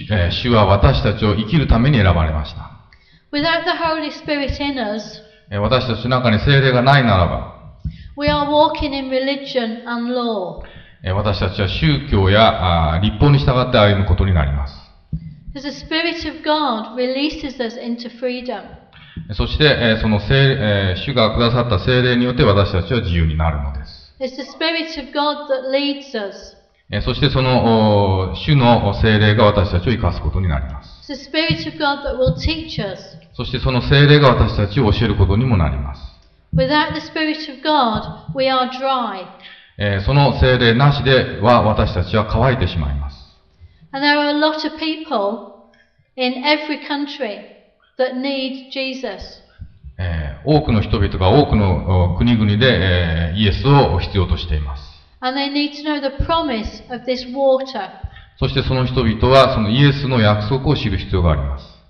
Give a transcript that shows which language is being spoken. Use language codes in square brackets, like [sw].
[ja] 主は私たちを生きるために選ばれました。 [en] Without the Holy Spirit in us. [ja] 私たちの中に聖霊がないならば、 [en] We are walking in religion and law. [ja] 私たちは宗教や律法に従って歩むことになります。 [en] The Spirit of God releases us into freedom. [ja] そして、その主がくださった聖霊によって私たちは自由になるのです。 [en] It's the Spirit of God that leads us. [ja] そしてその主の聖霊が私たちを生かすことになります。 [en] The Spirit of God that will teach us. [ja] そしてその聖霊が私たちを教えることにもなります。 [en] Without the Spirit of God, we are dry. [ja] その聖霊なしでは私たちは乾いてしまいます。 [en] And there are a lot of people in every country that need Jesus. [ja] 多くの人々が多くの国々で、イエスを必要としています。 [en] And they need to know the promise of this water. [ja] そしてその人々はそのイエスの約束を知る必要があります。